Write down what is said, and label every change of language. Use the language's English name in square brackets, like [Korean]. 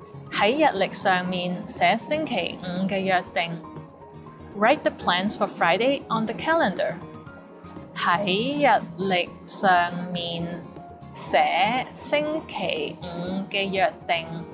[Chinese] 在日历上面写星期五的约定 [English] Write the plans for Friday on the calendar. [Chinese] 在日历上面写星期五的约定